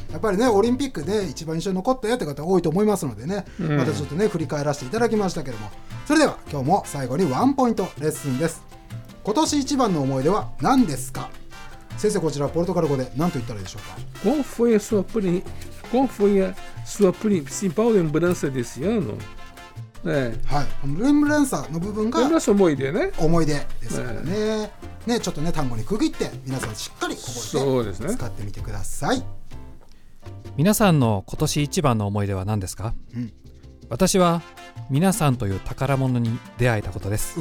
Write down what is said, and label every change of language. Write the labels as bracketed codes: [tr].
[ja] やっぱりね、オリンピックで一番印象に残ったよって方多いと思いますのでね、またちょっとね振り返らせていただきましたけども、それでは今日も最後にワンポイントレッスンです。今年一番の思い出は何ですか？先生、こちらポルトガル語で何と言ったらいいでしょうか？ [pt] Qual foi a sua principal lembrança desse ano? [ja] はい、レンブランサーの部分が思い出ね、思い出ですからね、ちょっとね単語に区切って皆さんしっかり覚えて使ってみてください。皆さんの今年一番の思い出は何ですか？私は皆さんという宝物に出会えたことです。